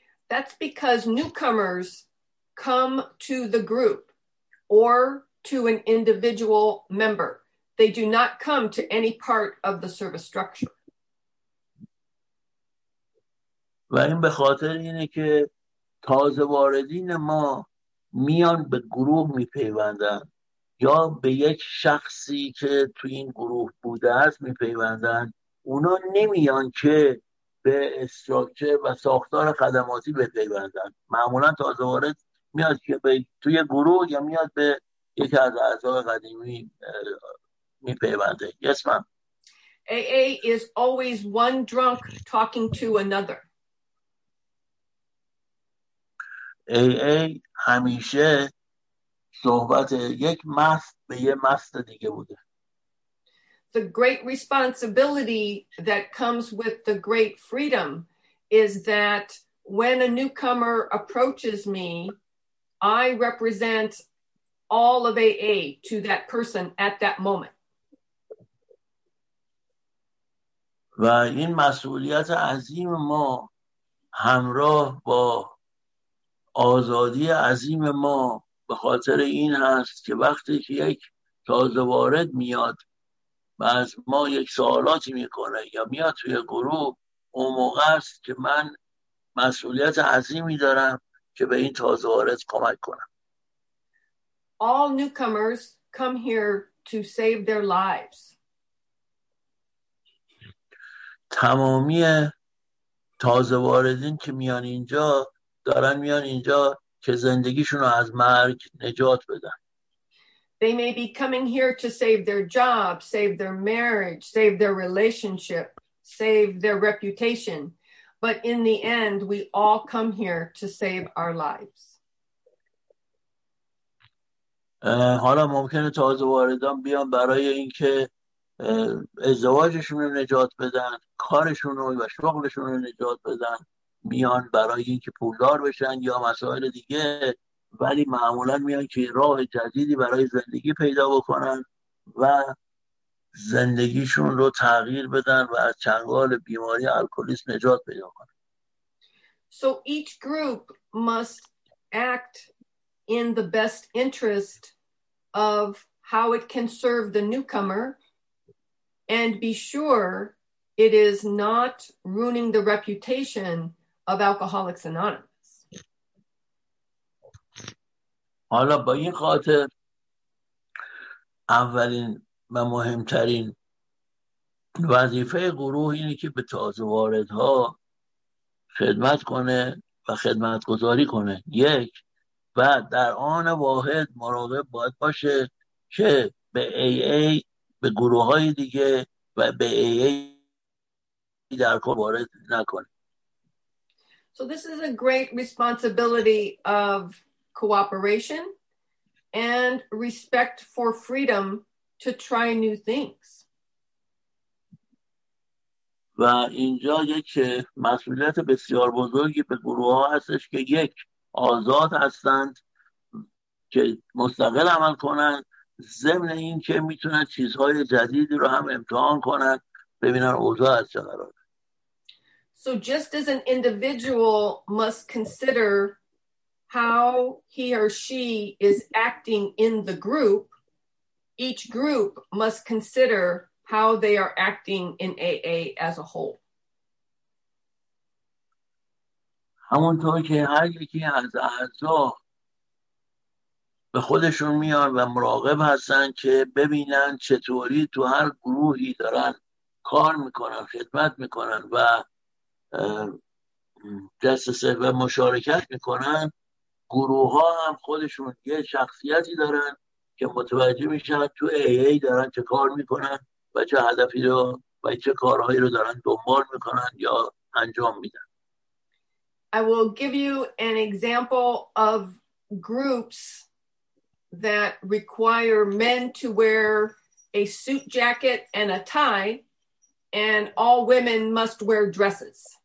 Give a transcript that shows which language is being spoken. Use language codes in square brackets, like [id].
[en] That's because newcomers come to the group or to an individual member. They do not come to any part of the service structure. [fa] و این به خاطر اینه که تازه واردین ما میان به گروه میپیوندن یا به یک شخصی که تو این گروه بوده است میپیوندن، اونا نمیان که به استراکچر و ساختار خدماتی بپیوندن. معمولا تازه وارد میاد که به توی گروه یا میاد به یکی از اعضای قدیمی میپیونده. [en] Yes, ma'am. AA is always one drunk talking to another. [fa] AA همیشه صحبت یک مست به یه مست دیگه بوده. [en] The great responsibility that comes with the great freedom is that when a newcomer approaches me, I represent all of AA to that person at that moment. [fa] و این مسئولیت عظیم ما همراه با آزادی عظیم ما به خاطر این هست که وقتی که یک تازه وارد میاد و از ما یک سوالاتی میکنه یا میاد توی گروه، اون موقع است که من مسئولیت عظیمی دارم که به این تازه وارد کمک کنم. [en] All newcomers come here to save their lives. [fa] تمامی تازه واردین که میان اینجا دارن میان اینجا که زندگیشون رو از مرگ نجات بدن. [en] They may be coming here to save their job, save their marriage, save their relationship, save their reputation, But in the end, we all come here to save our lives. [fa] حالا ممکنه تازه واردان بیان برای اینکه ازدواجشون رو نجات بدن، کارشون رو و شغلشون رو نجات بدن، میان برای اینکه پولدار بشن یا مسائل دیگه، ولی معمولا میان که راه جدیدی برای زندگی پیدا بکنن و زندگیشون رو تغییر بدن و از چنگال بیماری الکلیسم نجات پیدا کنن. [en] So each group must act in the best interest of how it can serve the newcomer and be sure it is not ruining the reputation of Alcoholics Anonymous. [fa] حالا با این خاطر اولین و مهمترین وظیفه گروه اینه که به تازه واردها خدمت کنه و خدمت گذاری کنه، یک، و در آن واحد مراقب باید باشه که به AA، به گروه های دیگه و به AA در کل وارد نکنه. [en] So this is a great responsibility of cooperation and respect for freedom to try new things. [fa] و اینجا یک مسئولیت بسیار بزرگی به گروه‌ها هستش که یک آزاد هستند که مستقل عمل کنند، ضمن این که میتونن چیزهای جدیدی رو هم امتحان کنند، ببینن اوضاع از چه قراره. [en] So just as an individual must consider how he or she is acting in the group, each group must consider how they are acting in AA as a whole. [fa] همونطور که هر یکی از اعضا به خودشون میان و مراقب هستن که ببینن چطوری تو هر گروهی دارن کار میکنن، خدمت میکنن و دسترسه و مشارکت میکنن، گروه ها هم خودشون یه شخصیتی دارن که متوجه میشن تو AA دارن چه کار میکنن و چه هدفی رو و چه کارهایی رو دارن دنبال میکنن یا انجام میدن. [en] I will give you an example of groups that require men to wear a suit jacket and a tie and all women must wear dresses.